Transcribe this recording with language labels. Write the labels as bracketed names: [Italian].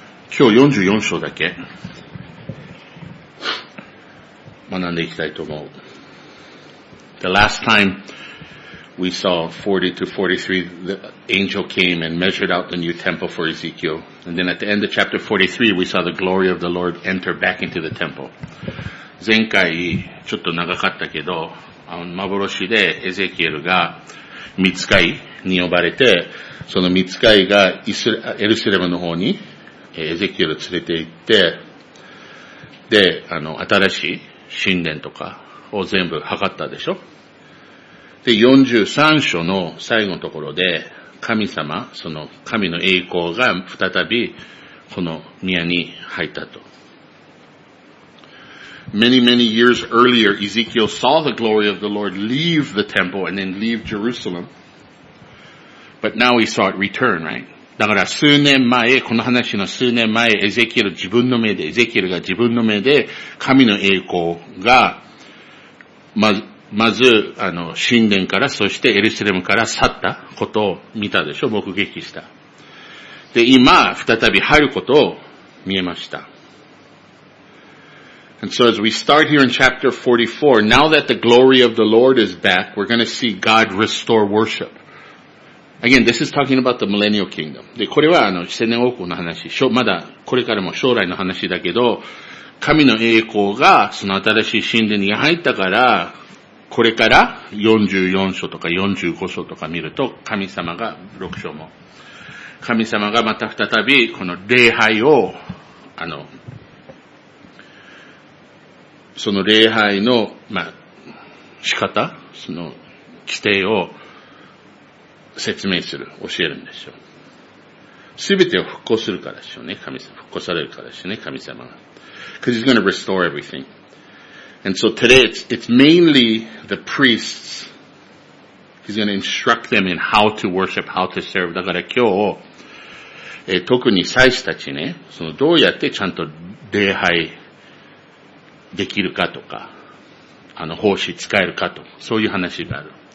[Japanese] 今日44章だけ学んでいきたいと思う。 [English] The last time we saw 40 to 43, the angel came and measured out the new temple for Ezekiel. And then at the end of chapter 43, we saw the glory of the Lord enter back into the temple. [Japanese] 前回ちょっと長かったけど、幻でエゼキエルが御使いに呼ばれて、その御使いがエルサレムの方にエゼキエルを連れて行って、で、新しい神殿とかを全部測ったでしょ。で、43章の最後のところで、神様、その神の栄光が再びこの宮に入ったと。 [English] Many, many years earlier, Ezekiel saw the glory of the Lord leave the temple and then leave Jerusalem. But now he saw it return, right? [Japanese] だから数年前、この話の数年前、エゼキエルが自分の目で神の栄光が、まず、神殿から、そしてエルサレムから去ったことを見たでしょ、目撃した。で、今、再び入ることを見えました。 [English] And so as we start here in chapter 44, now that the glory of the Lord is back, we're going to see God restore worship. Again, this is talking about the millennial kingdom. [Japanese] で、これは千年王国の話、まだこれからも将来の話だけど、神の栄光がその新しい神殿に入ったから、これから44章とか45章とか見ると、神様が、6章も、神様がまた再びこの礼拝を、その礼拝の、まあ、仕方、その規定を説明する、教えるんですよ。すべてを復興するからですよね、神様。復興されるからですよね、神様が。 [English] Because he's going to restore everything. And so today it's mainly the priests. He's going to instruct them in how to worship, how to serve. [Japanese] だから今日、特に祭司たちね、そのどうやってちゃんと礼拝、できるかとか、奉仕使えるかとか、そういう話がある。